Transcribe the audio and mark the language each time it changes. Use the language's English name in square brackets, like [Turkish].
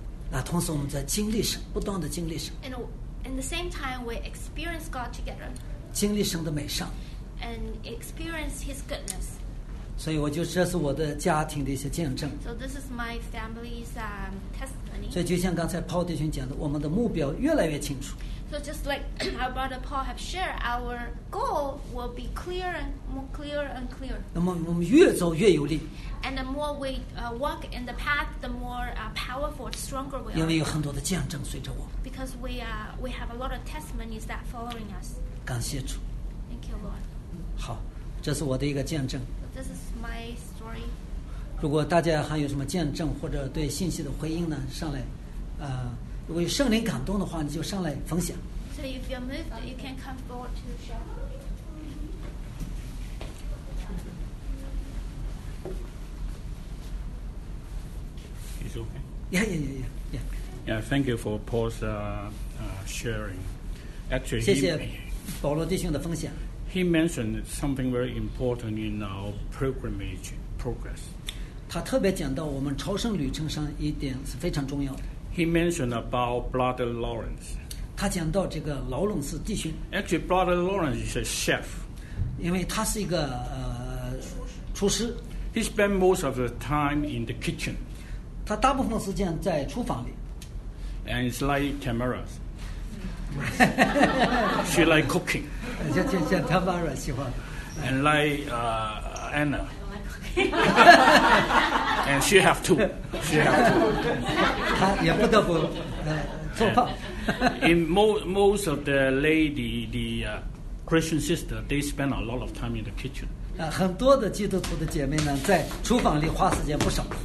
[Chinese] 那同时我们在经历神，不断的经历神。 [English] In the same time, we experience God together. [Chinese] 经历神的美善。 [English] And experience His goodness. [Chinese] 所以我就这是我的家庭的一些见证。 [English] So this is my family's testimony. [Chinese] 所以就像刚才 Paul 弟兄讲的，我们的目标越来越清楚。 [English] So just like our brother Paul have shared, our goal will be clear and more clear and clear. [Chinese] 那么我们越走越有力。 [English] And the more we walk in the path, the more powerful, stronger we are. [Chinese] 因为有很多的见证随着我。 [English] Because we have a lot of testimonies that following us. [Chinese] 感谢主。 [English] Thank you, Lord. [Chinese] 好，这是我的一个见证。 [English] This is my story. [Chinese] 如果大家还有什么见证或者对信息的回应呢，上来，如果有圣灵感动的话，你就上来分享。 [English] So if you're moved, you can come forward to share. Okay. Yeah. Thank you for Paul's sharing. Actually, [Chinese] 谢谢保罗弟兄的分享。 [English] He mentioned something very important in our pilgrimage progress. [Chinese] 他特别讲到我们朝圣旅程上一点是非常重要的。 [English] He mentioned about Brother Lawrence. [Chinese] 他讲到这个劳伦斯弟兄。 [English] Actually, Brother Lawrence is a chef. [Chinese] 因为他是一个厨师。 [English] He spent most of the time in the kitchen. [Chinese] 他大部分时间在厨房里。 [English] and it's like cameras. She like cooking. Like Tamara [Chinese] 喜欢。 [English] And like Anna. And she have two. She have two. [Chinese] 她也不得不做饭。 [English] In most of the lady, the Christian sister, they spend a lot of time in the kitchen. [Chinese] 很多的基督徒的姐妹呢，在厨房里花时间不少。